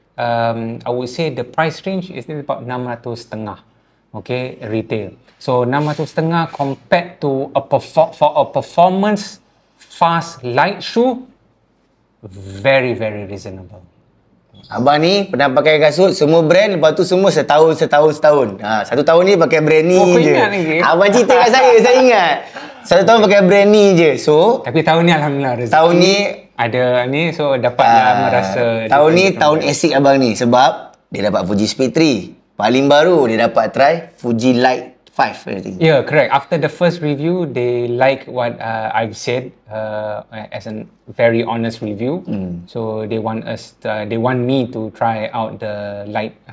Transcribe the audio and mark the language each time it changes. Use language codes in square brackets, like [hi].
[en] I would say the price range is about $600.50. Okay, retail. So, $600.50 compared to for a performance fast light shoe, very, very reasonable. [ms] Abang ni pernah pakai kasut semua brand, lepas tu semua setahun. Satu tahun ni pakai brand ni je. Abang cerita kat saya ingat. Satu tahun pakai brand ni je. So, tapi tahun ni alhamdulillah rezeki. Tahun ni ada ni, so dapatlah merasa. Tahun ni tahun ASICS abang ni, sebab dia dapat Fuji Speed 3. Paling baru dia dapat try Fuji Light 5. [en] Yeah, correct. After the first review, they like what I've said as a very honest review. So they want us they want me to try out the Light